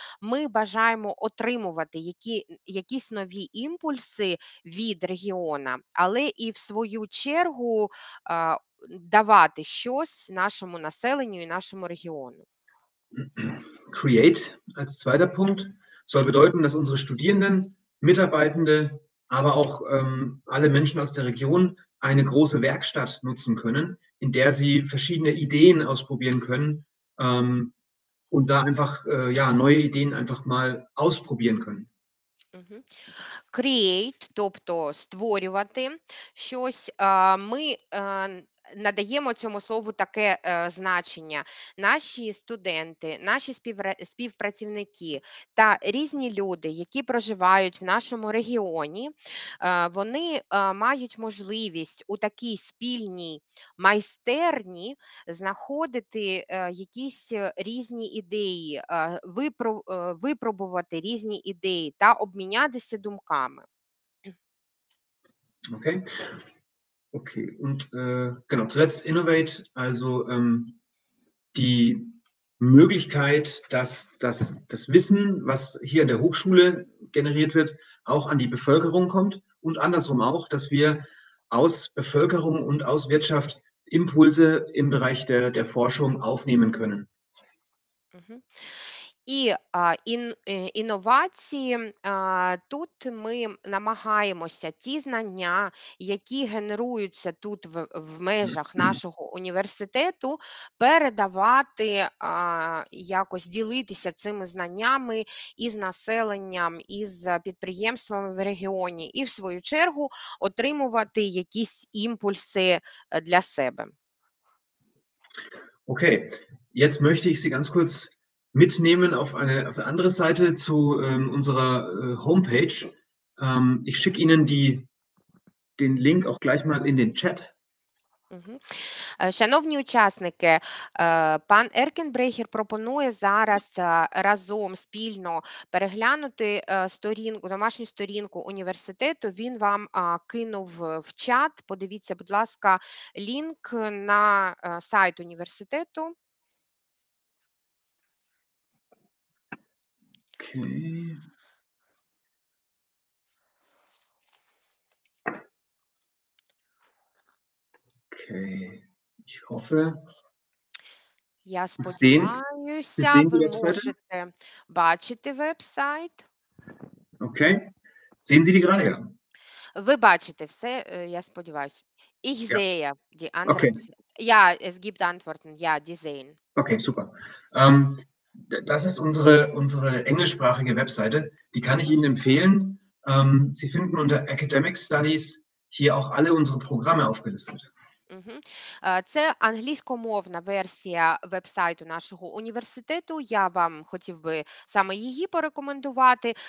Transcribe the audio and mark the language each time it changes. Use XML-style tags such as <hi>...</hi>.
<uk>Ми бажаємо отримувати якісь нові імпульси від регіона, але і в свою чергу давати щось нашому населенню і нашому регіону.</uk> <de>Create als zweiter Punkt soll bedeuten, dass unsere Studierenden, Mitarbeitende, aber auch alle Menschen aus der Region eine große Werkstatt nutzen können, in der sie verschiedene Ideen ausprobieren können und da einfach neue Ideen einfach mal ausprobieren können.</de> <uk>Create, тобто створювати щось, ми надаємо цьому слову таке значення. Наші студенти, наші співпрацівники та різні люди, які проживають в нашому регіоні, вони мають можливість у такій спільній майстерні знаходити якісь різні ідеї, випробувати різні ідеї та обмінятися думками. Окей.</uk> <de>Okay, und genau, zuletzt Innovate, also die Möglichkeit, dass das Wissen, was hier in der Hochschule generiert wird, auch an die Bevölkerung kommt und andersrum auch, dass wir aus Bevölkerung und aus Wirtschaft Impulse im Bereich der Forschung aufnehmen können. Mhm.</de> <uk>І інновації, тут ми намагаємося ті знання, які генеруються тут в межах нашого університету, передавати, якось ділитися цими знаннями із населенням, із підприємствами в регіоні і в свою чергу отримувати якісь імпульси для себе.</uk> <de>Окей, jetzt möchte ich Sie ganz kurz mitnehmen auf eine andere Seite zu unserer Homepage. Ich schicke Ihnen den Link auch gleich mal in den Chat.</de> <uk>Шановні учасники, пан Еркенбрейгер пропонує зараз разом спільно переглянути сторінку, домашню сторінку університету. Він вам кинув в чат. Подивіться, будь ласка, лінк на сайт університету.</uk> <de>Okay. Ich hoffe.</de> <uk>Я сподіваюся, ви можете бачити вебсайт.</uk> <de>Okay. Sehen Sie die gerade?</de> <uk>Ви бачите все, я сподіваюся.</uk> <de>Ich sehe die Antwort. Okay. Ja, es gibt Antworten. Ja, die sehen. Okay, super. Das ist unsere englischsprachige Webseite, die kann ich Ihnen empfehlen. Sie finden unter Academic Studies hier auch alle unsere Programme aufgelistet.</de> <uk>Це англійськомовна версія вебсайту нашого університету. Я вам хотів би саме її порекомендувати.</uk>